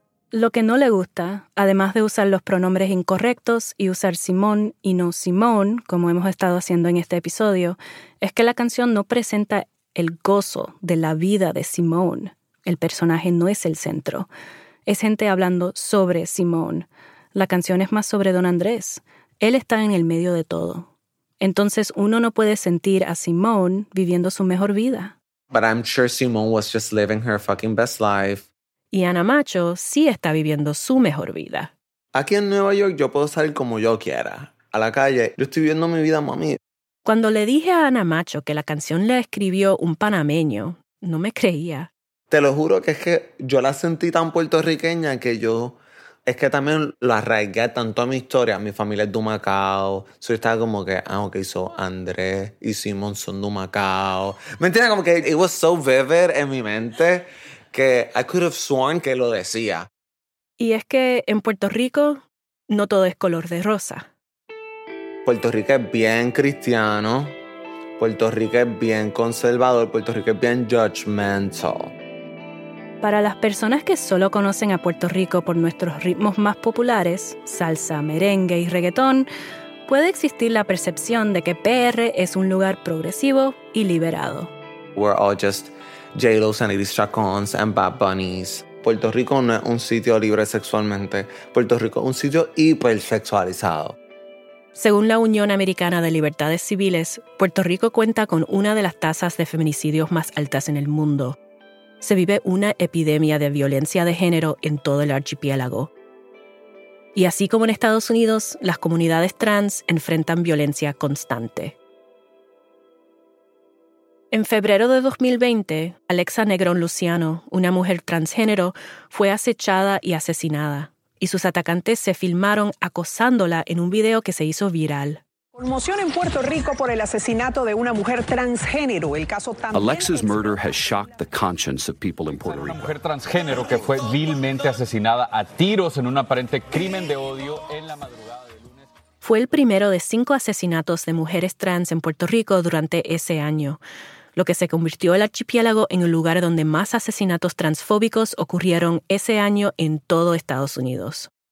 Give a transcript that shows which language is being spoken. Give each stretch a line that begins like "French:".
Spanish: Lo que no le gusta, además de usar los pronombres incorrectos y usar Simón y no Simón, como hemos estado haciendo en este episodio, es que la canción no presenta el gozo de la vida de Simón. El personaje no es el centro. Es gente hablando sobre Simón. La canción es más sobre Don Andrés. Él está en el medio de todo. Entonces uno no puede sentir a Simón viviendo su mejor vida.
English: But I'm sure Simón was just living her fucking best life.
Spanish: Y Ana Macho sí está viviendo su mejor vida. Aquí en Nueva York yo puedo salir como yo quiera. A la calle. Yo estoy viviendo mi vida, mami. Cuando le dije a Ana Macho que la canción la escribió un panameño, no me creía. Te lo juro que es que yo la sentí tan puertorriqueña que yo... Es que también lo arraigué tanto a mi historia. Mi familia es de Humacao. So yo estaba como que, ah, ok, so Andrés y Simón son de Humacao. ¿Me entiendes? Como que
English: it was so vivid
Spanish: en mi mente que
English: I could have sworn
Spanish: que lo decía. Y es que en Puerto Rico no todo es color de rosa. Puerto Rico es bien cristiano. Puerto Rico es bien conservador. Puerto Rico es bien judgmental. Para las personas que solo conocen a Puerto Rico por nuestros ritmos más populares, salsa, merengue y reggaetón, puede existir la percepción de que PR es un lugar progresivo y liberado.
English: We're all just J-Lo's and Iris Chacons and Bad Bunnies.
Spanish: Puerto Rico no es un sitio libre sexualmente. Puerto Rico es un sitio hipersexualizado. Según la Unión Americana de Libertades Civiles, Puerto Rico cuenta con una de las tasas de feminicidios más altas en el mundo. Se vive una epidemia de violencia de género en todo el archipiélago. Y así como en Estados Unidos, las comunidades trans enfrentan violencia constante. En febrero de 2020, Alexa Negrón Luciano, una mujer transgénero, fue acechada y asesinada. Y sus atacantes se filmaron acosándola en un video que se hizo viral. Conmoción en Puerto Rico por el asesinato de una mujer transgénero. El caso también...
English: Alexa's murder has shocked the conscience of people in Puerto Rico.
Spanish: Una mujer transgénero que fue vilmente asesinada a tiros en un aparente crimen de odio en la madrugada de lunes. Fue el primero de 5 asesinatos de mujeres trans en Puerto Rico durante ese año, lo que se convirtió el archipiélago en el lugar donde más asesinatos transfóbicos ocurrieron ese año en todo Estados Unidos.